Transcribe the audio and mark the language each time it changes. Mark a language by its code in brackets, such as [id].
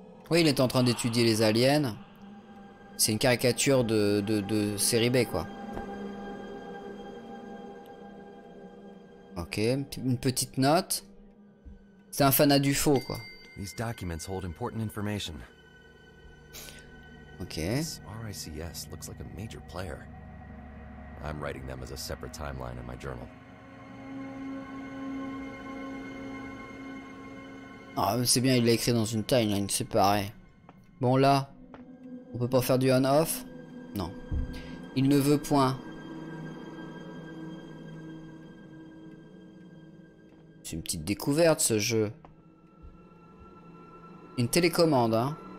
[fr] Oui, il est en train d'étudier les aliens. C'est une caricature de série B, quoi. Ok, une petite note. C'est un fanat du faux, quoi. [en] These documents hold important information. Ok. RICS looks like a major player. I'm writing them as a separate timeline in my journal. [fr] Ah, oh, c'est bien, il l'a écrit dans une timeline séparée. Bon, là, on peut pas faire du on-off? Non. Il ne veut point. C'est une petite découverte, ce jeu. Une télécommande, hein.